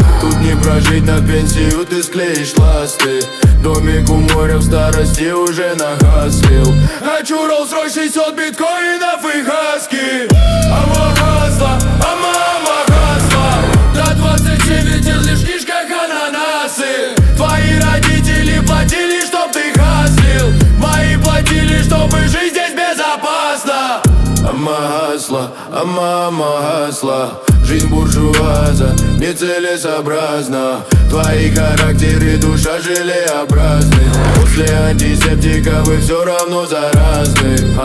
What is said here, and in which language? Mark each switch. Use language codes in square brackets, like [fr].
[ru] Тут не прожить, на пенсию ты склеишь ласты. Домик у моря в старости уже нахаслил. Хочу Rolls-Royce 600 биткоинов и хаски. [en] I'm a hustler, I'm a hustler. [ru] До 29 лишь в книжках ананасы. Твои родители платили, чтоб ты хаслил. Мои платили, чтобы жить здесь безопасно. [en] I'm a hustler, I'm a hustler. [ru] Жизнь буржуаза нецелесообразна. Твои характер и душа желеобразны. После антисептика вы все равно заразны.